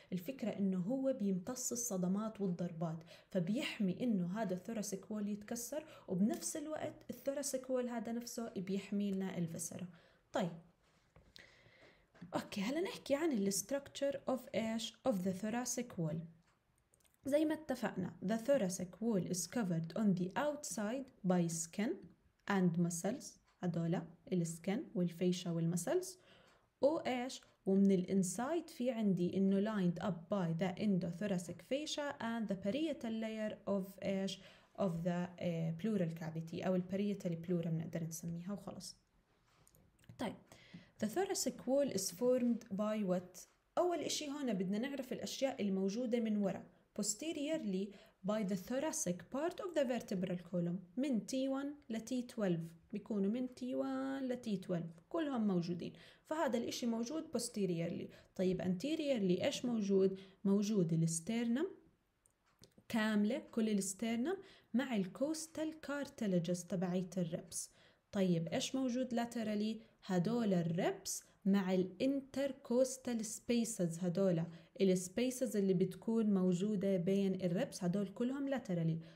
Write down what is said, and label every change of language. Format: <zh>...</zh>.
<ar>الفكرة إنه هو بيمتص الصدمات والضربات، فبيحمي إنه هذا الثوراسيك وول يتكسر، وبنفس الوقت الثوراسيك وول هذا نفسه بيحمي لنا الفيسرا. طيب أوكي، هلا نحكي عن</ar> <en>الستركتشر أوف إيش of the thoracic wall.</en> <ar>زي ما اتفقنا</ar> <en>the thoracic wall is covered on the outside by skin and muscles.</en> <ar>هدول السكن والفيشة والمسلز. وإيش؟ ومن الانسايد في عندي انه</ar> <en>lined up by the endothoracic fascia and the parietal layer of</en> <ar>ايش</ar> <en>of the pleural cavity او الparietal pleura بنقدر نسميها وخلص.</en> <ar>طيب</ar> <en>the thoracic wall is formed by what؟</en> <ar>اول اشي هنا بدنا نعرف الاشياء الموجودة من ورا.</ar> <en>posteriorly by the thoracic part of the vertebral column</en> <ar>من T1 لT12، بيكونوا من T1 لT12 كلهم موجودين، فهذا الاشي موجود posteriorly. طيب anteriorly ايش موجود؟ موجود الاسترنم كاملة، كل الاسترنم مع الكوستال كارتلجز تبعيت الريبس. طيب ايش موجود laterally؟ هدول الريبس مع الانتركوستال سبيسز، هدول السبيسز اللي بتكون موجودة بين الريبس، هدول كلهم لاترالي.</ar>